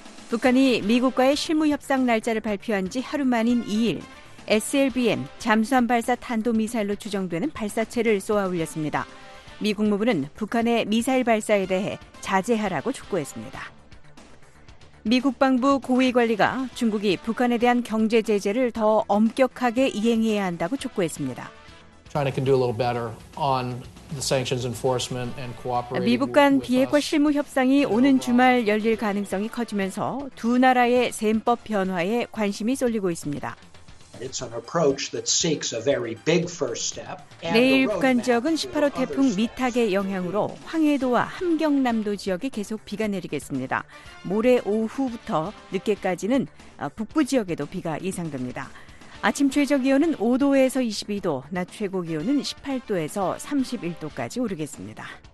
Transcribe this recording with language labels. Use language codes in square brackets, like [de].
[ko] 북한이 미국과의 실무협상 날짜를 발표한 지 하루 만인 2일 SLBM 잠수함 발사 탄도미사일로 추정되는 발사체를 쏘아올렸습니다. 미 국무부는 북한의 미사일 발사에 대해 자제하라고 촉구했습니다. 미 국방부 고위 관리가 중국이 북한에 대한 경제 제재를 더 엄격하게 이행해야 한다고 촉구했습니다. [en] China can do a little better on the sanctions enforcement and cooperating. [ko] 미국 간 비핵화 실무 협상이 오는 주말 열릴 가능성이 커지면서 두 나라의 셈법 변화에 관심이 쏠리고 있습니다. [en] It's an approach that seeks a very big first step. [ko] 내일 북한 지역은 18호 태풍 미탁의 영향으로 황해도와 함경남도 지역에 계속 비가 내리겠습니다. 모레 오후부터 늦게까지는 북부 지역에도 비가 예상됩니다. 아침 최저 기온은 5도에서 22도, 낮 최고 기온은 18도에서 31도까지 오르겠습니다.